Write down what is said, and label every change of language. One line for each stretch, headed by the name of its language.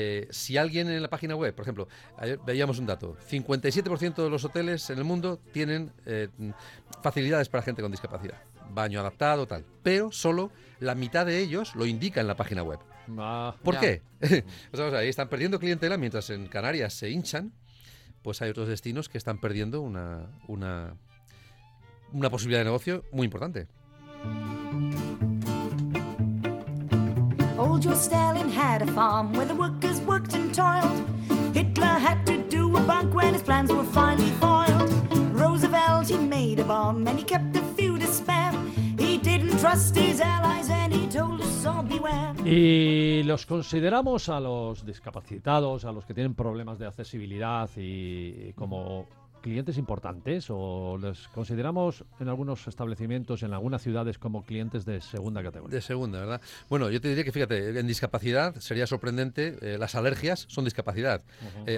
Spanish: Si alguien en la página web, por ejemplo, veíamos un dato, 57% de los hoteles en el mundo tienen facilidades para gente con discapacidad, baño adaptado, tal, pero solo la mitad de ellos lo indica en la página web. ¿Por qué? O sea, ahí están perdiendo clientela, mientras en Canarias se hinchan, pues hay otros destinos que están perdiendo una posibilidad de negocio muy importante.
English: Old Joe Stalin had a farm where the workers worked and toiled. Hitler had to do a bunk when his plans were finally foiled. Roosevelt, he made a bomb and he kept a few to spare. He didn't trust his allies and he told us all beware.
Spanish: Y los consideramos a los discapacitados, a los que tienen problemas de accesibilidad y como clientes importantes, o les consideramos en algunos establecimientos, en algunas ciudades, como clientes de segunda categoría. De segunda, ¿verdad? Bueno, yo te diría que, fíjate, en discapacidad sería sorprendente, las alergias son discapacidad. Uh-huh.